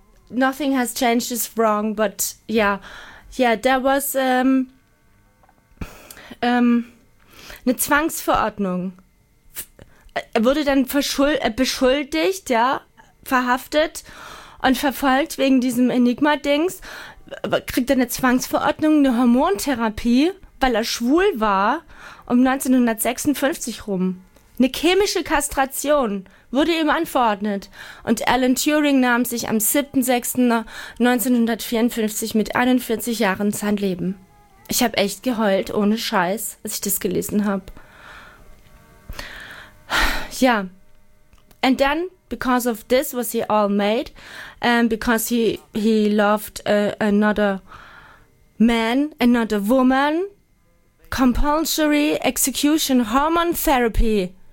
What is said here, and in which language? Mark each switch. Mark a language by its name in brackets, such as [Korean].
[English] Nothing has changed is wrong, but yeah, there was [German] eine Zwangsverordnung. Er wurde dann beschuldigt, ja, verhaftet und verfolgt wegen diesem Enigma-Dings. Kriegt er eine Zwangsverordnung, eine Hormontherapie, weil er schwul war, um 1956 rum. Eine chemische Kastration wurde ihm anverordnet und Alan Turing nahm sich am 7.6.1954 mit 41 Jahren sein Leben. Ich habe echt geheult, ohne Scheiß, als ich das gelesen habe. [English] Ja, and then, because of this was he all made, and because he loved another man, another woman, compulsory execution hormone therapy.